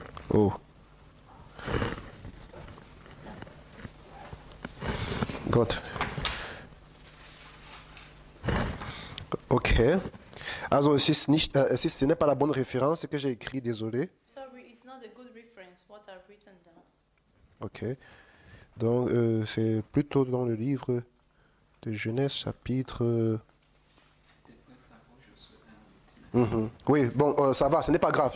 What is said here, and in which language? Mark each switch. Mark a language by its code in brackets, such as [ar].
[en] Oh. God. Ok. [fr] Also, si ce n'est pas la bonne référence que j'ai écrit, désolé. [en] Sorry, it's not a good reference what I've written down. Ok. [fr] Donc, c'est plutôt dans le livre de Genèse, chapitre. Mm-hmm. Oui, bon, ça va, ce n'est pas grave.